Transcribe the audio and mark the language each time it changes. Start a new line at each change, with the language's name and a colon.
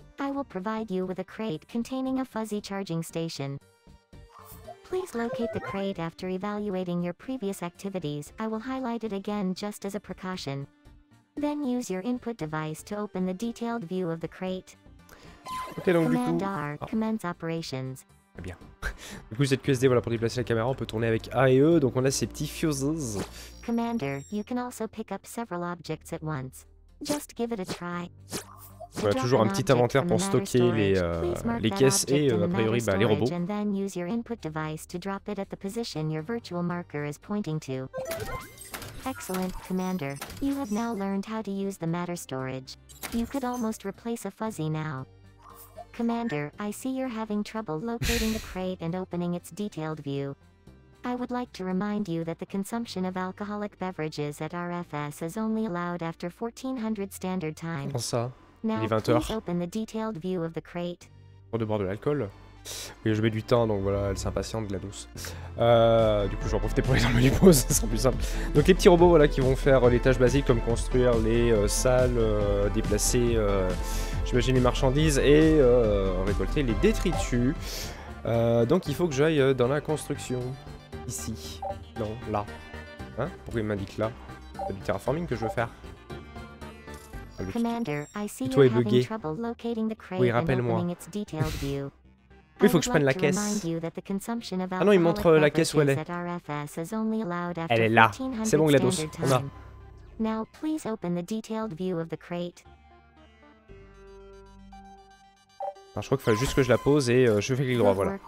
English: I will provide you with a crate containing a fuzzy charging station. Please locate the crate after evaluating your previous activities. I will highlight it again just as a precaution. Then use your input device to open the detailed view of the crate.
French: Ok, donc du coup...
English: R, commence operations.
French: Bien. Du coup, cette QSD, voilà, pour déplacer la caméra, on peut tourner avec A et E, donc on a ces petits fuses.
English: Commander, you can also pick up several objects at once. Just give it a try.
French: Voilà, toujours un petit inventaire pour stocker les caisses et, a priori, bah, les robots.
English: And then use your input device to drop it at the position your virtual marker is pointing to. Excellent, Commander. You have now learned how to use the matter storage. You could almost replace a fuzzy now. Commander, I see you're having trouble locating the crate and opening its detailed view. I would like to remind you that the consumption of alcoholic beverages at RFS is only allowed after 1400 standard time.
French: Comment ça?
English: Now,
French: il est 20h.
English: Please open the detailed view of the crate.
French: Pour de boire de l'alcool. Oui, je mets du temps, donc voilà, elle s'impatiente de la douce. Du coup, je vais en profiter pour aller dans le menu pause, ce sera plus simple. Donc les petits robots, voilà, qui vont faire les tâches basiques comme construire les salles, déplacer, j'imagine, les marchandises et récolter les détritus. Donc il faut que j'aille dans la construction. Ici. Non, là. Hein? Pourquoi il m'indique là? C'est du terraforming que je veux faire.
English: Commander, I see you're having trouble locating the crate and opening its detailed view.
French: Oui, faut que je prenne la caisse. Ah non, il montre la caisse où elle est là. C'est bon, GLaDOS. On a.
English: Now, please open the detailed view of the crate.
French: Alors, je crois qu'il fallait juste que je la pose et je fais clic droit, voilà.